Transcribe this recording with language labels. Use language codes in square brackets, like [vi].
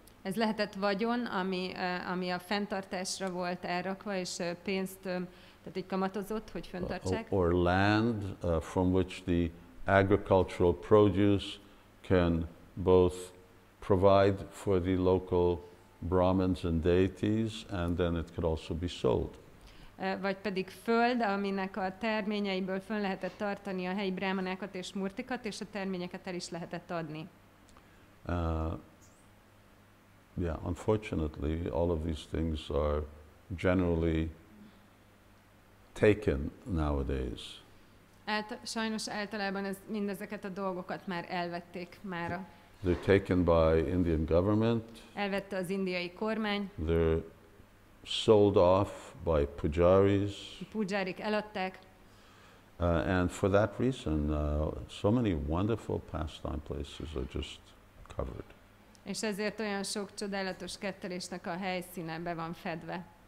[hu] Ez lehetett vagyon, ami a fenntartásra volt elrakva, és pénzt, tehát így kamatozott, hogy fenntartsák. [en] Or land from which the agricultural produce can both provide for the local Brahmins and deities, and then it could also be sold. [hu] Vagy pedig föld, aminek a terményeiből fönn lehetett tartani a helyi brámanákat és murtikat, és a terményeket el is lehetett adni. [en] Unfortunately, all of these things are generally taken nowadays. [hu] Sajnos általában mindezeket a dolgokat már elvették mára. [en] They're taken by Indian government. [hu] Elvette az indiai kormány. [en] They're sold off by pujaris. [hu] Pujarik eladták. [en] And for that reason, so many wonderful pastime places are just covered. [hu] És ezért olyan sok csodálatos kettelésnek a helyszíne be van fedve.